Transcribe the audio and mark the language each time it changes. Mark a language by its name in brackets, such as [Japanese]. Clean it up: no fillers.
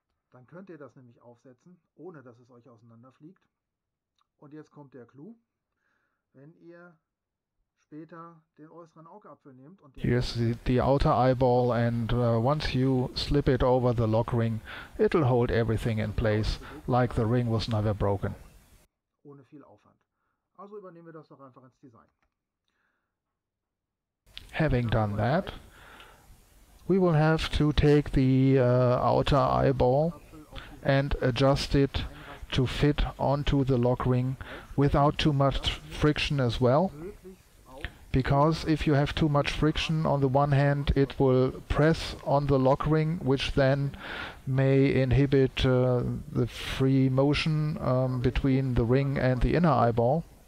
[German] Dann könnt ihr das nämlich aufsetzen, ohne dass es euch auseinanderfliegt. Und jetzt kommt der Clou. Wenn ihr später den äußeren Augapfel nehmt und hier ist [English] the outer eyeball, and once you slip it over the lock ring, it'll hold everything in place, like the ring was never broken. [German] Ohne viel Aufwand. Also übernehmen wir das doch einfach ins Design. [English] Having done that, we will have to take the outer eyeball and adjust it to fit onto the lock ring without too much friction as well. Because if you have too much friction, on the one hand it will press on the lock ring, which then may inhibit the free motion between the ring and the inner eyeball.